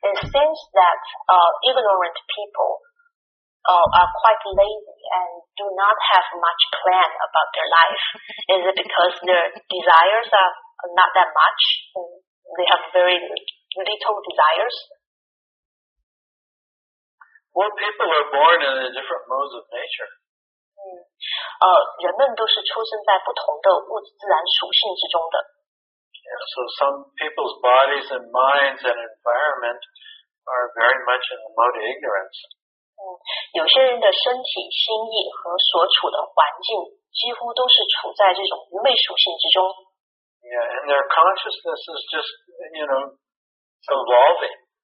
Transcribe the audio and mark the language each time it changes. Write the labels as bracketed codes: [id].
[en] It seems that ignorant people are quite lazy and do not have much plan about their life. Is it because their desires are not that much? They have very little desires? Well, people are born in a different modes of nature. [zh] 人们都是出生在不同的物质自然属性之中的。 [en] Yeah, so some people's bodies and minds and environment are very much in the mode of ignorance. [zh] 有些人的身体、心意和所处的环境几乎都是处在这种愚昧属性之中。 [en] Yeah, and their consciousness is just, you know, evolving.